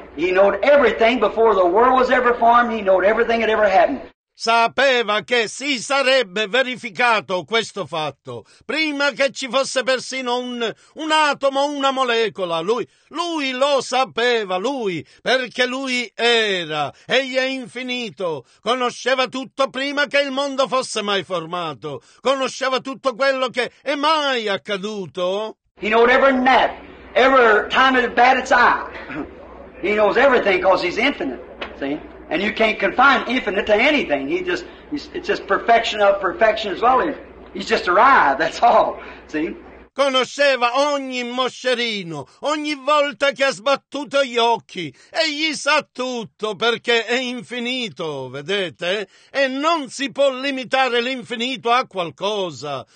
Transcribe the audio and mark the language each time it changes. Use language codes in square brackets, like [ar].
[en] He knew everything before the world was ever formed. He knew everything that ever happened. [it] Sapeva che si sarebbe verificato questo fatto, prima che ci fosse persino un atomo, una molecola. Lui lo sapeva, lui, perché lui era, egli è infinito, conosceva tutto prima che il mondo fosse mai formato, conosceva tutto quello che è mai accaduto. [en] He knows every gnat, every time it bat its eye. He knows everything because he's infinite, see? And you can't confine infinite to anything. It's just perfection of perfection as well. He's just arrived, that's all. See? [it] Conosceva ogni moscerino, ogni volta che ha sbattuto gli occhi. Egli sa tutto perché è infinito, vedete? E non si può limitare l'infinito a qualcosa.